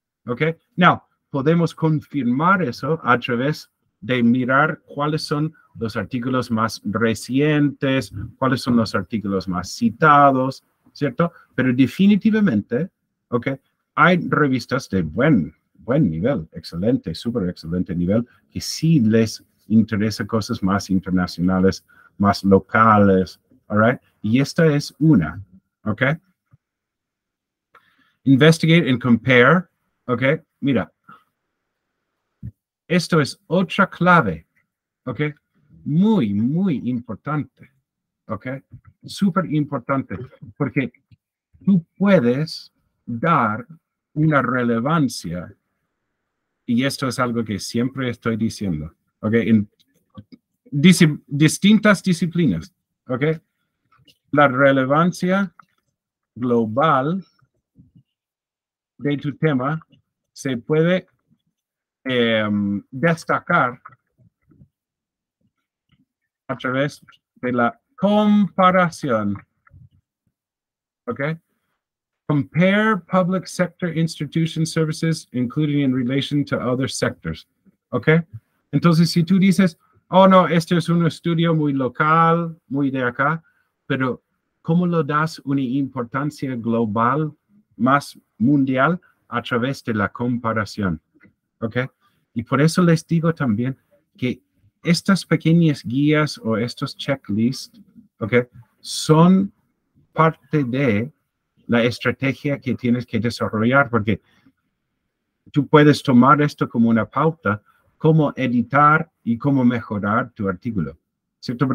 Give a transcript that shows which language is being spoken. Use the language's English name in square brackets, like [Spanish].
[Spanish] Okay, now podemos confirmar eso a través de mirar cuáles son los artículos más recientes, cuáles son los artículos más citados, ¿cierto? Pero definitivamente, okay, hay revistas de buen nivel, excelente, súper excelente nivel, que sí les interesa cosas más internacionales, más locales, [English] all right? [Spanish] Y esta es una, okay? [English] Investigate and compare, okay? [Spanish] Mira, esto es otra clave, okay? Muy, muy importante, okay? Súper importante, porque tú puedes dar una relevancia. Y esto es algo que siempre estoy diciendo, ¿ok? En distintas disciplinas, ¿ok? La relevancia global de tu tema se puede destacar a través de la comparación, ¿ok? [English] Compare public sector institution services, including in relation to other sectors. Okay? [Spanish] Entonces, si tú dices, oh, no, este es un estudio muy local, muy de acá, pero ¿cómo lo das una importancia global más mundial a través de la comparación? Okay? Y por eso les digo también que estas pequeñas guías o estos checklists, okay, son parte de la estrategia que tienes que desarrollar, porque tú puedes tomar esto como una pauta, cómo editar y cómo mejorar tu artículo, ¿cierto?